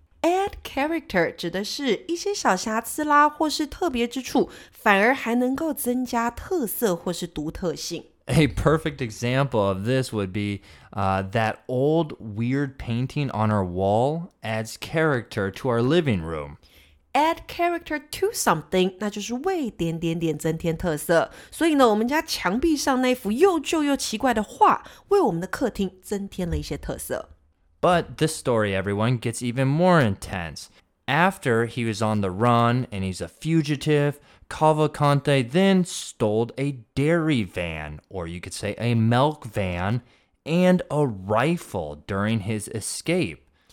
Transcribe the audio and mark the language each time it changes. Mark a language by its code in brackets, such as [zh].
[en] Add character [zh] 指的是一些小瑕疵啦或是特别之处反而还能够增加特色或是独特性。 [en] A perfect example of this would be that old weird painting on our wall adds character to our living room. Add character to something, [zh] 那就是为点点点增添特色。所以呢，我们家墙壁上那幅又旧又奇怪的画，为我们的客厅增添了一些特色。 [en] But this story, everyone, gets even more intense. After he was on the run and he's a fugitive, Cavalcante then stole a dairy van, or you could say a milk van, and a rifle during his escape.